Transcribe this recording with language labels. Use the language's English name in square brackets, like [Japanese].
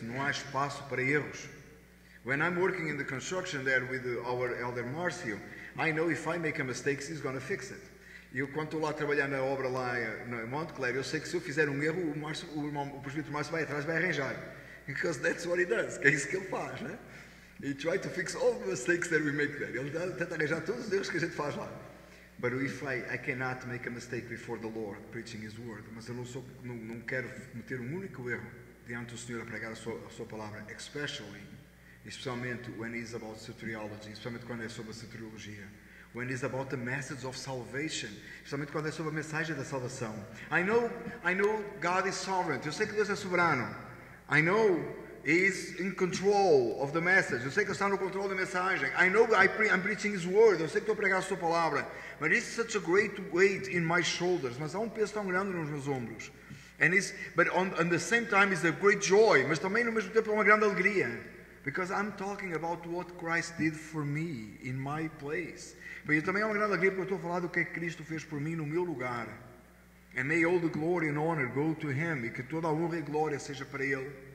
[Portuguese] Não há espaço para erros. [English] When I'm working in the construction there with our elder Marcio, I know if I make a mistake, he's going to fix it. [Portuguese] E eu, quando estou lá a trabalhar na obra lá no Monte Clare, eu sei que se eu fizer um erro, o presbítero Márcio vai atrás, vai arranjar. [English] Because that's what he does, [Portuguese] que é isso que ele faz, né? [English] He tries to fix all the mistakes that we make there. [Portuguese] Ele tenta arranjar todos os erros que a gente faz lá. [English] But if I cannot make a mistake before the Lord preaching His word, [Portuguese] mas eu não quero cometer um único erro diante do Senhor a pregar a sua palavra, especialmente [English] when it's about soteriology, [Portuguese] especialmente quando é sobre a soteriologia. [English] When it's about the message of salvation, [Portuguese] especialmente quando é sobre a mensagem da salvação. [English] I know God is sovereign. [Portuguese] Eu sei que Deus é soberano. [English] I know He is in control of the message. [Portuguese] Eu sei que está no controle da mensagem. [English] I know I'm preaching His word. [Portuguese] Eu sei que estou a pregar a sua palavra. [English] But it's such a great weight in my shoulders. [Portuguese] Mas há um peso tão grande nos meus ombros. [English] And it's, but on the same time, it's a great joy. [Portuguese] Mas também no mesmo tempo é uma grande alegria. [English] Because I'm talking about what Christ did for me in my place. [Portuguese] Mas também é uma grande alegria porque eu estou a falar do que é que Cristo fez por mim no meu lugar. [English] And may all the glory and honor go to Him. [Portuguese] E que toda a honra e glória seja para Ele.